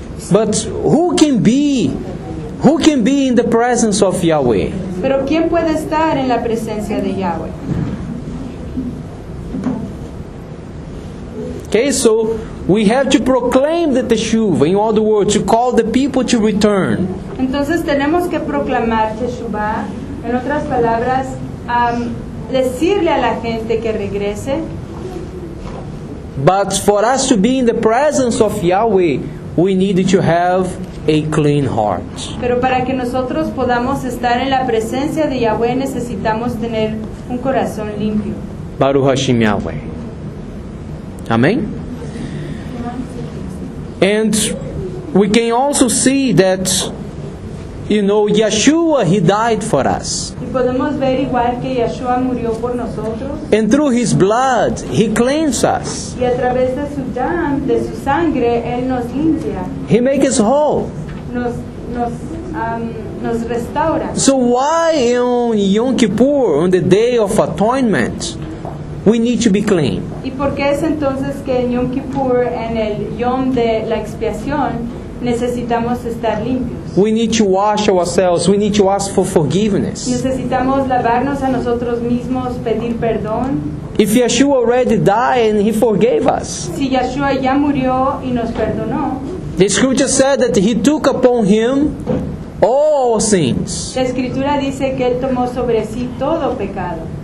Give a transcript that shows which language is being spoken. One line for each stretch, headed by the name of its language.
English: But who can be in the presence of Yahweh?
Spanish: Pero ¿quién puede estar en la presencia de Yahweh?
English: Okay, so we have to proclaim the Teshuvah, in other words, to call the people to return.
Spanish: Entonces tenemos que proclamar Teshuvah, en otras palabras, decirle a la gente que regrese.
English: But for us to be in the presence of Yahweh, we need to have a clean heart.
Spanish: Pero para que nosotros podamos estar en la presencia de Yahweh, necesitamos tener un corazón limpio.
Hebrew: Baruch Hashem Yahweh. Amen. And
English: we can also see that, you know, Yeshua, he died for us.
Spanish: Y podemos ver igual que Yeshua murió por nosotros.
English: And through his blood, he cleanses us.
Spanish: Y a través de su dam, de su sangre, él nos limpia.
English: He makes us whole.
Spanish: Nos restaura.
English: So why on Yom Kippur, on the Day of Atonement, we need to be clean?
Spanish: Y por qué es entonces que en Yom Kippur, en el Yom de la expiación, necesitamos estar limpios?
English: We need to wash ourselves. We need to ask for forgiveness.
Spanish: Necesitamos lavarnos a nosotros mismos, pedir perdón.
English: If Yeshua already died and he forgave us.
Spanish: Si Yeshua ya murió y nos perdonó.
English: The scripture said that he took upon him all our sins.
Spanish: La escritura dice que él tomó sobre sí todo pecado.